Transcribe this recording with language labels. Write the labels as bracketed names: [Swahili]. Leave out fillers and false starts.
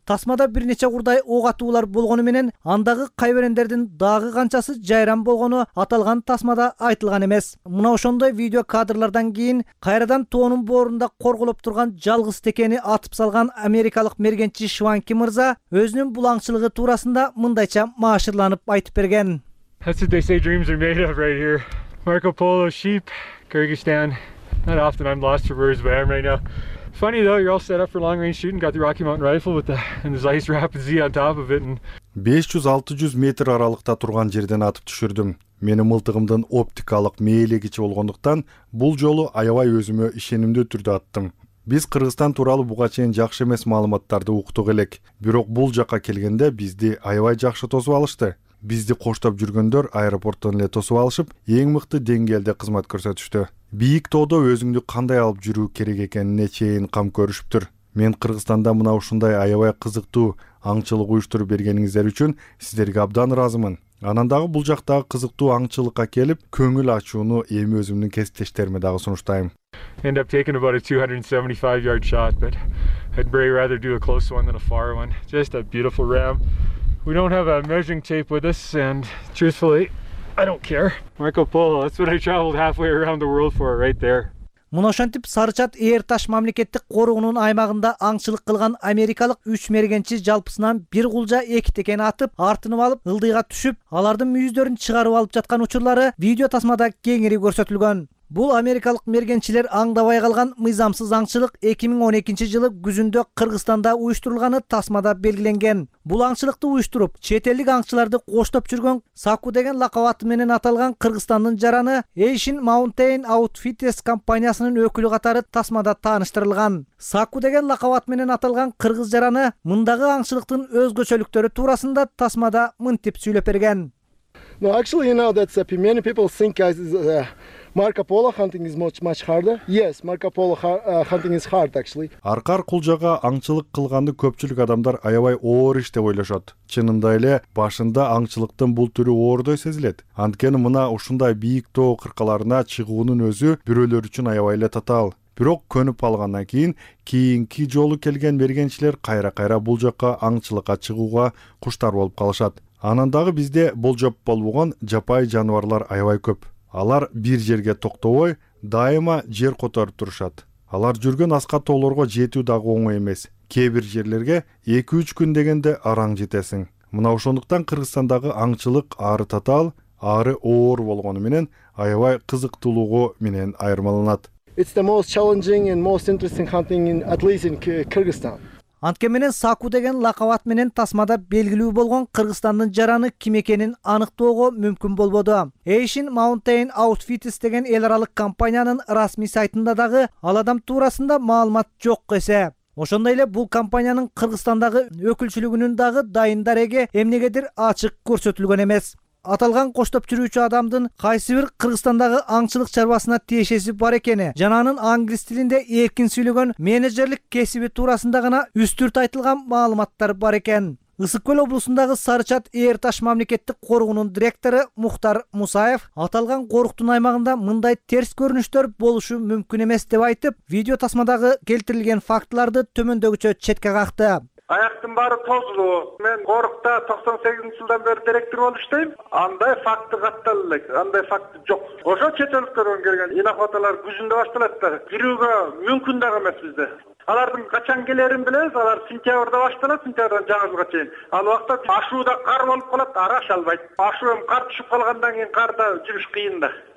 [Kyrgyz] Тасмада бир нече курдай ок атуулар болгону менен андагы кайберендердин дагы канчасы жайран болгону аталган тасмада айтылган эмес. Мына ошондой видео кадрлардан кийин кайрадан тоонун боорунда корголоп турган жалгыз текени атып салган америкалык мергенчи Шванки мырза өзүнүн бул аңчылыгы туурасында мындайча маашырланып айтып берген. [English] That's what they say dreams are made of right here. Marco Polo sheep, Kyrgyzstan. Not often I'm lost for words, but I am right now. Funny though, you're all set up for long range shooting, got the Rocky Mountain rifle with the and the Zeiss Rapid Z on top of it and [Kyrgyz] 500-600 метр аралыкта турган жерден атып түшүрдүм. Менин мылтыгымдын оптикалык мээлегичи болгондуктан бул жолу аябай өзүмө ишенимдүү түрдө аттым. Биз Кыргызстан тууралуу буга чейин жакшы эмес маалыматтарды уктук элек. Бирок бул жака келгенде бизди аябай жакшы тосуп алышты. Бизди коштоп жүргөндөр аэропорттон эле тосуп алышып, эң мыкты деңгээлде кызмат көрсөтүштү. Бийик тоодо өзүңдү кандай алып жүрүү керек экенине чейин кам көрүшүптүр. Мен Кыргызстанда мына ушундай аябай кызыктуу аңчылык уюштуруп бергениңиздер үчүн сиздерге абдан ыраазымын. Анан дагы бул жактагы кызыктуу аңчылыкка келип, көңүл ачууну эми өзүмдүн кесиптештериме дагы сунуштайм. [English] End up taking about a 275 yard shot, but I'd really rather do a close one than a far one. Just a beautiful ram. We don't have a measuring tape with us, and truthfully, I don't care. Marco Polo, that's what I traveled halfway around the world for right there. [Kyrgyz] Мына ошентип Сарычат Эрташ мамлекеттик коругунун аймагында аңчылык кылган америкалык 3 мергенчи жалпысынан бир кулжа 2 текени атып, артынып алып ылдыйга түшүп, алардын мүйүздөрүн чыгарып алып жаткан учурлары видео тасмада кеңири көрсөтүлгөн. Бул америкалык мергенчилер аңдабай калган мыйзамсыз аңчылык 2012 жылы күзүндө Кыргызстанда уюштурулганы тасмада белгиленген. Бул аңчылыкты уюштуруп, чет элдик аңчыларды коштоп жүргөн Саку деген лакабаты менен аталган Кыргызстандын жараны Asian Mountain Outfitters компаниясынын өкүлү катары тасмада тааныштырылган. Саку деген лакабат менен аталган кыргыз жараны мындагы аңчылыктын өзгөчөлүктөрү туурасында тасмада мынтип сүйлөп берген. [English] No, actually, you know, that's happy. Many people think I Marco Polo hunting is much harder. Yes, Marco Polo hunting is hard actually. [Kyrgyz] Аркар кулжага аңчылык кылганды көпчүлүк адамдар аябай оор иш деп ойлошот. Чынында эле башында аңчылыктын бул түрү оордой сезилет. Анткени мына ушундай бийик тоо кыркаларына чыгуунун өзү бирөөлөр үчүн аябай эле татаал. Бирок көнүп алгандан кийин кийинки жолу келген мергенчилер кайра-кайра бул жакка аңчылыкка чыгууга куштар болуп калышат. Анан дагы бизде болжоп болбогон жапайы жаныбарлар аябай көп. Алар бир жерге токтобой, дайыма жер которуп турушат. Алар жүргөн аска тоолорго жетүү дагы оңой эмес. Кээ бир жерлерге 2-3 күн дегенде араң жетесиң. Мына ошондуктан Кыргызстандагы аңчылык ары татаал, ары оор болгону менен аябай кызыктуулугу менен айырмаланат. [English] It's the most challenging and most interesting hunting in at least in Kyrgyzstan. [Kyrgyz] Антке менен саку деген лакап менен тасмада белгилүү болгон Кыргызстандын жараны ким экенин аныктоого мүмкүн болбоду. Asian Mountain Outfitters деген эл аралык компаниянын расмий сайтында дагы ал адам туурасында маалымат жок эсе. Ошондой эле бул компаниянын Кыргызстандагы өкүлчүлүгүнүн дагы дайындар эге эмнегедир ачык көрсөтүлгөн эмес. Аталган коштоп жүрүүчү адамдын кайсы бир Кыргызстандагы аңчылык чарбасына тиешеси бар экени жана анын англис тилинде эркин сүйлөгөн менеджерлик кесиби туурасында гана үстүрт айтылган маалыматтар бар экен. Ысык Көл облусундагы Сарычат Эрташ мамлекеттик коругунун директору Мухтар Мусаев аталган коруктун аймагында мындай терс көрүнүштөр болушу мүмкүн эмес деп айтып, видео тасмадагы келтирилген фактыларды төмөндөгүчө четке какты. Аяктын баары тозулуу. Мен корукта 98 жылдан бери директор болуп иштейм. Андай факты катталы элек, андай факты жок. Ошо чет өлкөлөрдөн келген инохоталар күзүндө башталат да, кирүүгө мүмкүн дагы эмес бизде. Алардын качан келерин билебиз, алар сентябрда башталат, сентябрдан жаңы жылга чейин. Ал убакта ашуу да кар болуп калат, араш албайт. Ашуу эми кар түшүп калгандан кийин карда жүрүш кыйын да.